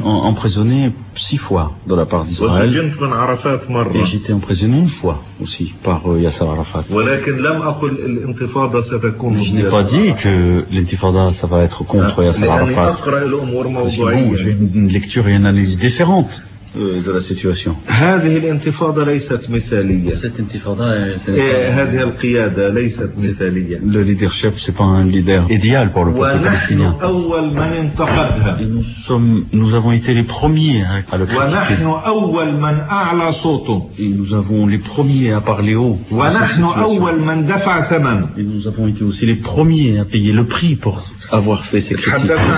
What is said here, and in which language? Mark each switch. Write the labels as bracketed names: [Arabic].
[French] emprisonné 6 fois de la part d'Israël. Et j'étais emprisonné une fois aussi par Yasser Arafat. Mais je n'ai pas dit que l'intifada, ça va être contre Yasser Arafat. Parce que bon, j'ai une lecture et une analyse différentes de la situation. [Arabic] هذه الانتفاضة ليست مثالية. [French] Cette intifada, [Arabic] هذه القيادة ليست مثالية. [French] Le leadership, c'est pas un leader idéal pour le peuple palestinien. [Arabic] ونحن أول من انتقدها. [French] Nous avons été les premiers à le critiquer. [Arabic] ونحن أول من أعلى صوته. [French] Et nous avons les premiers à parler haut. [Arabic] ونحن أول من دفع ثمنه. [French] Et nous avons été aussi les premiers à payer le prix pour avoir fait ces critiques.